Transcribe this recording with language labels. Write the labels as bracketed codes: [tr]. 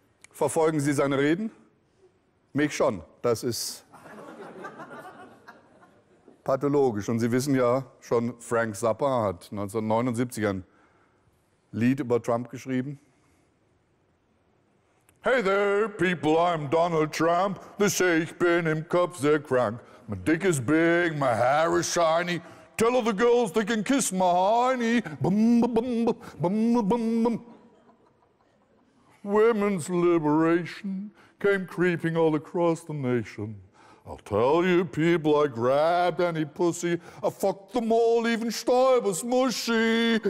[de] Verfolgen Sie seine Reden? Mich schon. Das ist pathologisch. Und Sie wissen ja schon, Frank Zappa hat 1979 ein Lied über Trump geschrieben. [en] Hey there, people, I'm Donald Trump. They say [de] ich bin im Kopf sehr krank. [en] My dick is big, my hair is shiny. Tell all the girls they can kiss my honey. Bum, bum, bum, bum, bum, bum. Women's liberation came creeping all across the nation. I'll tell you, people, I grabbed any pussy. I fucked them all, even Stoiber's mushy.